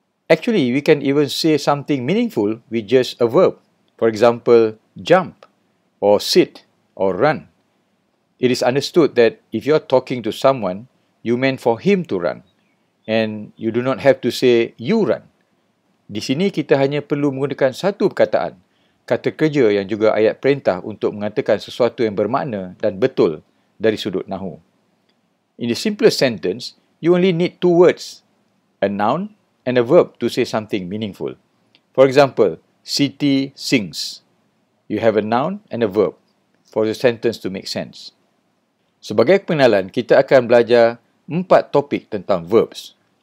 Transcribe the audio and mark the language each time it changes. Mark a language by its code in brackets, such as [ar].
[en] Actually, we can even say something meaningful with just a verb. For example, jump or sit or run. It is understood that if you are talking to someone, you meant for him to run and you do not have to say you run. [ms] Di sini kita hanya perlu menggunakan satu perkataan, kata kerja yang juga ayat perintah untuk mengatakan sesuatu yang bermakna dan betul dari sudut nahu. [en] In the simplest sentence, you only need two words, a noun and a verb to say something meaningful. For example, city sings. You have a noun and a verb for the sentence to make sense. [ms] Sebagai pengenalan, kita akan belajar empat topik tentang verbs.